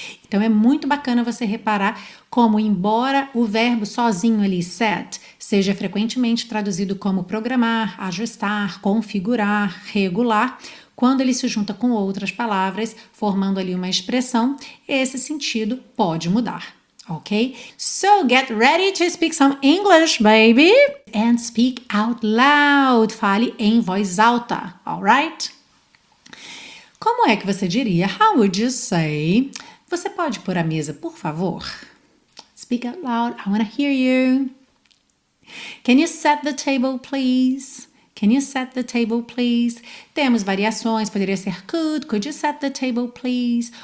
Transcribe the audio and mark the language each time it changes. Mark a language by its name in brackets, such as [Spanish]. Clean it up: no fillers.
[Portuguese] Então é muito bacana você reparar como, embora o verbo sozinho ali, set, seja frequentemente traduzido como programar, ajustar, configurar, regular, quando ele se junta com outras palavras, formando ali uma expressão, esse sentido pode mudar, ok? [English] So get ready to speak some English, baby! And speak out loud! [Portuguese] Fale em voz alta, alright? Como é que você diria? [English] How would you say? [Portuguese] Você pode pôr a mesa, por favor? [English] Speak out loud, I want to hear you. Can you set the table, please? Can you set the table, please? [Portuguese] Temos variações, poderia ser [English] could you set the table, please?